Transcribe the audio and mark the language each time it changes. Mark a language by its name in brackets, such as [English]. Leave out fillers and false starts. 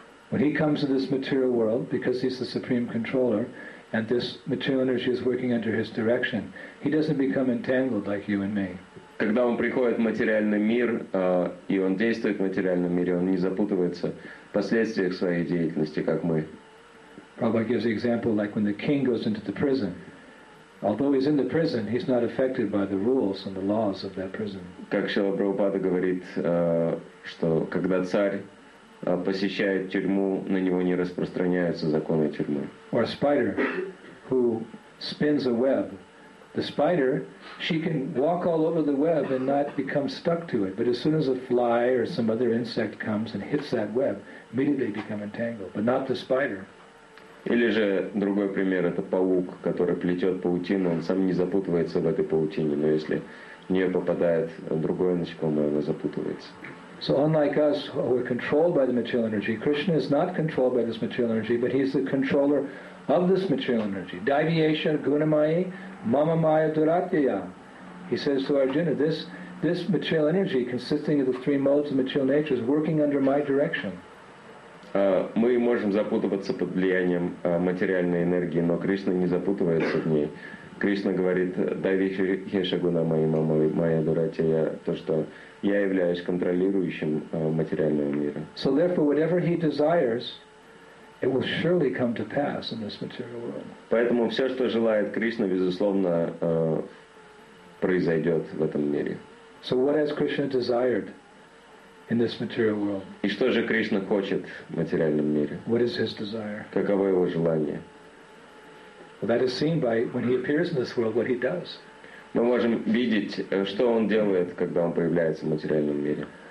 [English] When he comes to this material world, because he's the supreme controller, and this material energy is working under his direction, he doesn't become entangled like you and me. [Russian] Когда он приходит в материальный мир, и он действует в материальном мире, он не запутывается в последствиях своей деятельности, как мы. [English] Prabhupada gives the example like when the king goes into the prison. Although he's in the prison, he's not affected by the rules and the laws of that prison. [Russian] Как Шрила Прабхупада говорит, что когда царь посещает тюрьму, на него не распространяются законы тюрьмы. [English] Or a spider who spins a web. The spider, she can walk all over the web and not become stuck to it. But as soon as a fly or some other insect comes and hits that web, immediately become entangled. But not the spider. [Russian] Или же другой пример, это паук, который плетет паутину, он сам не запутывается в этой паутине, но если в нее попадает другое насекомое, оно запутывается. [English] So unlike us, who are controlled by the material energy, Krishna is not controlled by this material energy, but he's the controller of this material energy. [Sanskrit] Daivyesha gunamayi mama maya duratyaya. [English] He says to Arjuna, this this material energy consisting of the three modes of material nature is working under my direction. [Russian] Мы можем запутываться под влиянием материальной энергии, но Кришна не запутывается в ней. Кришна говорит: [Sanskrit] «Дави хешагуна мои мамы, моя дуратия», [Russian] то, что я являюсь контролирующим материального мира. [English] So therefore, whatever he desires, it will surely come to pass in this material world. [Russian] Поэтому все, что желает Кришна, безусловно, произойдет в этом мире. [English] So what has Krishna desired in this material world? [Russian] И что же Кришна хочет в материальном мире? [English] What is his desire? [Russian] Каково его желание? [English] Well, that is seen by when he appears in this world, what he does. [Russian] Мы можем видеть, что он делает, когда он появляется в материальном мире.